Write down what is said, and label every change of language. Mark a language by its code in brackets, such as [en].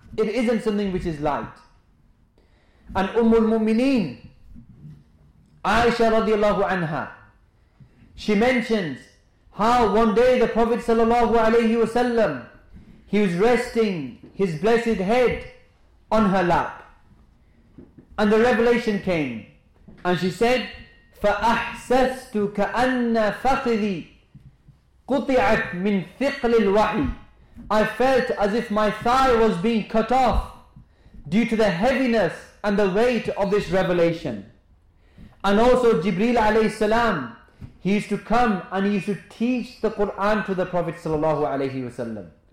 [en] It isn't something which is light. And Ummul Mumineen, Aisha radiallahu anha, she mentions how one day the Prophet sallallahu alayhi wasallam, he was resting his blessed head on her lap. And the revelation came. And she said, [ar] فَأَحْسَسْتُ كَأَنَّ فَخِذِي قُطِعَتْ مِنْ ثِقْلِ الْوَحِي. [en] I felt as if my thigh was being cut off due to the heaviness and the weight of this revelation. And also Jibreel alayhi salam, he used to come and he used to teach the Quran to the Prophet sallallahu alayhi wasallam.